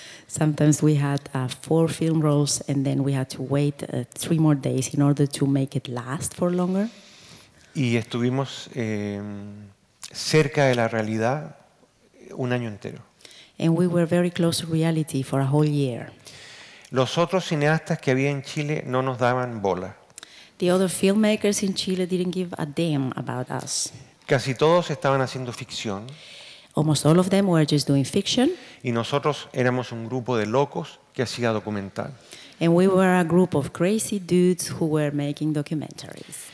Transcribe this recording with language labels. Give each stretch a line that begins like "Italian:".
English: Sometimes we had four film rolls and then we had to wait three more days in order to make it last for longer.
Spanish: Y estuvimos cerca de la realidad un año entero.
English: And we were very close to reality for a whole year.
Spanish: Los otros cineastas que había en Chile no nos daban bola.
English: The other filmmakers in Chile didn't give a damn about us.
Spanish: Casi todos estaban haciendo ficción.
English: Almost all of them were just doing fiction.
Spanish: Y nosotros éramos un grupo de locos que hacía documental.
English: And we were a group of crazy dudes who were making documentaries.